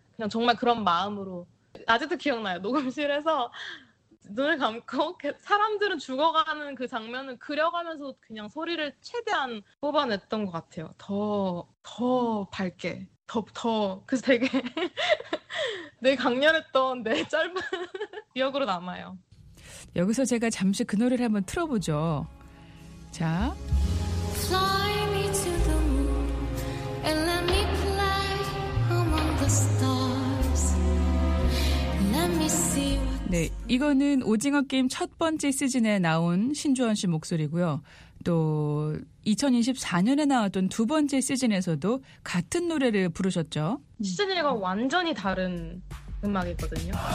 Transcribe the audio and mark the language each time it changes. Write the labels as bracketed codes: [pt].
[ko] 그냥 정말 그런 마음으로 아직도 기억나요. 녹음실에서 눈을 감고 사람들은 죽어가는 그 장면을 그려가면서 그냥 소리를 최대한 뽑아냈던 것 같아요. 더 밝게 더 그래서 되게 내 강렬했던 내 짧은 기억으로 남아요. 여기서 제가 잠시 그 노래를 한번 틀어보죠. [en] 자 Fly me to the moon and let me play among the stars. Let me see. [ko] 네, 이거는 오징어 게임 첫 번째 시즌에 나온 신주원 씨 목소리고요. 또 2024년에 나왔던 두 번째 시즌에서도 같은 노래를 부르셨죠. 시즌 1과 완전히 다른 음악이거든요.